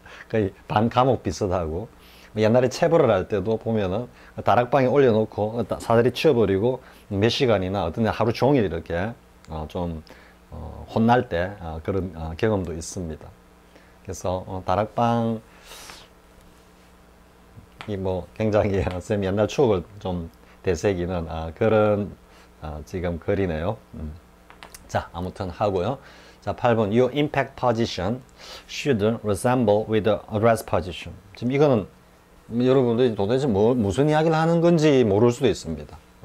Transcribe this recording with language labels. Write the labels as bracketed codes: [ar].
[ko] 거의 반 감옥 비슷하고. 옛날에 체벌을 할 때도 보면은 다락방에 올려놓고 사다리 치워버리고 몇 시간이나 어떤 하루 종일 이렇게 좀 혼날 때 그런 경험도 있습니다. 그래서 다락방이 뭐 굉장히 쌤 옛날 추억을 좀 되새기는 그런 지금 거리네요. 자, 아무튼 하고요. 자, 8번. [en] Your impact position should resemble with the address position. [ko] 지금 이거는 여러분들이 도대체 무슨 이야기를 하는 건지 모를 수도 있습니다.